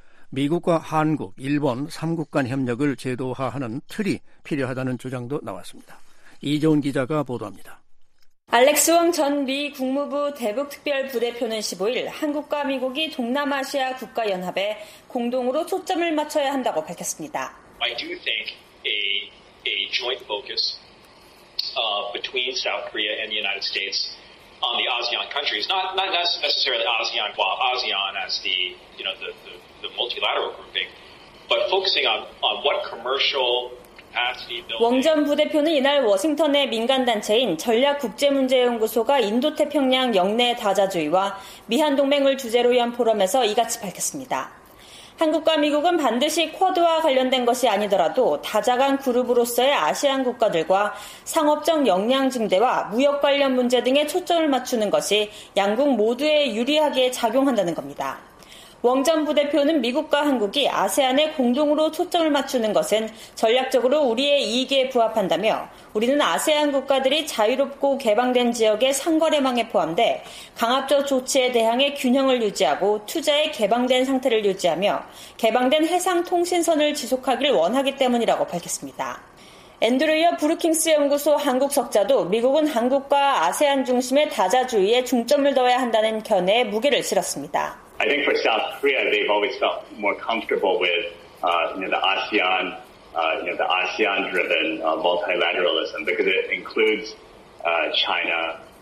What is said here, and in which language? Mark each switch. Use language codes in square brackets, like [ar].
[ko] 미국과 한국, 일본 3국 간 협력을 제도화하는 틀이 필요하다는 주장도 나왔습니다. 이재훈 기자가 보도합니다. 알렉스 웡 전 미 국무부 대북특별부대표는 15일 한국과 미국이 동남아시아 국가연합에 공동으로 초점을 맞춰야 한다고 밝혔습니다. [en] I do think a joint focus between South Korea and the United States on the ASEAN countries, not necessarily ASEAN qua ASEAN as the, you know, the multilateral grouping, but focusing on what commercial [ko] 웡 전 부대표는 이날 워싱턴의 민간단체인 전략국제문제연구소가 인도태평양 역내 다자주의와 미한동맹을 주제로 연 포럼에서 이같이 밝혔습니다. 한국과 미국은 반드시 쿼드와 관련된 것이 아니더라도 다자간 그룹으로서의 아시안 국가들과 상업적 역량 증대와 무역 관련 문제 등에 초점을 맞추는 것이 양국 모두에 유리하게 작용한다는 겁니다. 웡 전 부대표는 미국과 한국이 아세안에 공동으로 초점을 맞추는 것은 전략적으로 우리의 이익에 부합한다며 우리는 아세안 국가들이 자유롭고 개방된 지역의 상거래망에 포함돼 강압적 조치에 대항해 균형을 유지하고 투자에 개방된 상태를 유지하며 개방된 해상통신선을 지속하길 원하기 때문이라고 밝혔습니다. 앤드루이어 브루킹스 연구소 한국 석좌도 미국은 한국과 아세안 중심의 다자주의에 중점을 둬야 한다는 견해에 무게를 실었습니다. [en] I think for South Korea, they've always felt more comfortable with, you know, the ASEAN, you know, the ASEAN-driven multilateralism because it includes China.